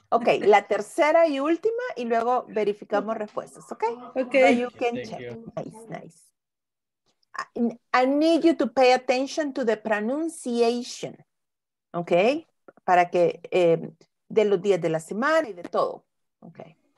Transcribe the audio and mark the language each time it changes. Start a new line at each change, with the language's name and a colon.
Spanish: Okay, la tercera y última y luego verificamos respuestas, okay?
English: Okay. So you can check. Nice, nice. I need you to pay attention to the pronunciation, okay?
Spanish: Para que de los días de la semana y de todo, okay.